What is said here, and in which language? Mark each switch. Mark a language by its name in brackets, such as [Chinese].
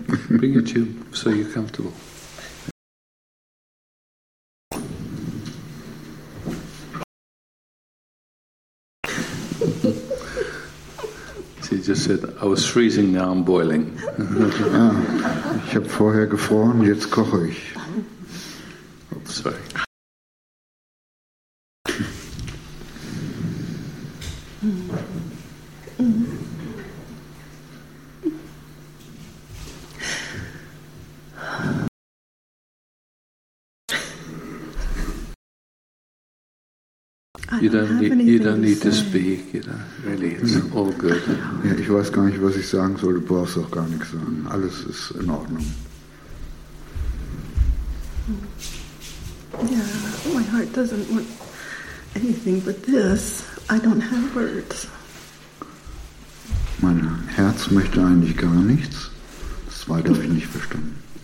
[English] Bring a tube so you're comfortable. Just said, I was freezing, now I'm boiling. [German] Ah, ich habe vorher gefroren, jetzt koche ich. [English] Oh, sorry. You don't need to speak, you know, really, it's all good. [German] Ja, ich weiß gar nicht, was ich sagen soll, du brauchst auch gar nichts sagen. Alles ist in Ordnung. [English] Yeah, my heart doesn't want anything but this. I don't have words. [German] Mein Herz möchte eigentlich gar nichts. Das Zweite habe ich nicht verstanden.